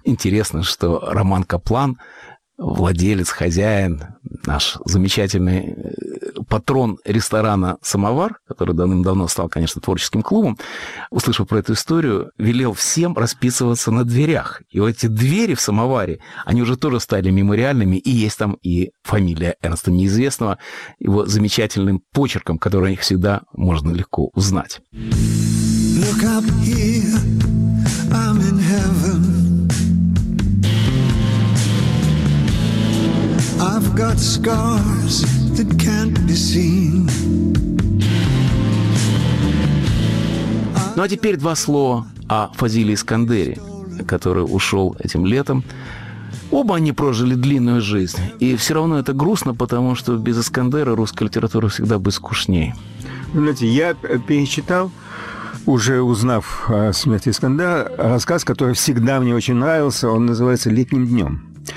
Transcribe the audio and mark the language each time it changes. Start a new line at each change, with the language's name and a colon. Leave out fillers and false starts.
Russian: Интересно, что Роман Каплан, владелец, хозяин, наш замечательный патрон ресторана «Самовар», который давным-давно стал, конечно, творческим клубом, услышав про эту историю, велел всем расписываться на дверях. И вот эти двери в «Самоваре», они уже тоже стали мемориальными, и есть там и фамилия Эрнста Неизвестного, его замечательным почерком, который у них всегда можно легко узнать.
English: Look up here, I'm in heaven. I've got scars that can't be seen.
Russian: Ну а теперь два слова о Фазиле Искандере, который ушел этим летом. Оба они прожили длинную жизнь, и все равно это грустно, потому что без Искандера русская литература всегда бы скучнее. Знаете, я перечитал, уже узнав о смерти Искандера, рассказ, который всегда мне очень нравился, он называется «Летним днем».